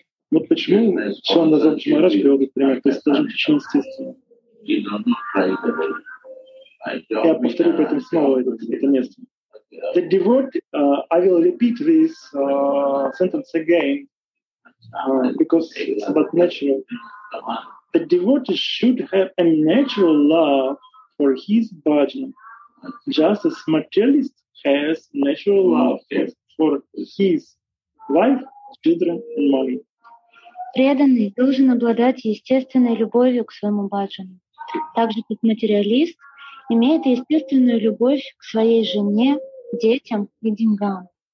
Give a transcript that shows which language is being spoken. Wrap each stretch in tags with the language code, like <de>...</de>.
<ru>Вот почему Шрила Прабхупада Махарадж приводит пример, то есть тоже очень естественно. Я повторю поэтому снова это место.</ru> <en>The devotee, I will repeat this sentence again, because it's about natural. The devotee should have a natural love for his bhajan, just as materialist has natural love for his wife, children, and money.</en> <ru>Преданный должен обладать естественной любовью к своему бхаджану, так же, как материалист имеет естественную любовь к своей жене, детям и деньгам.</ru>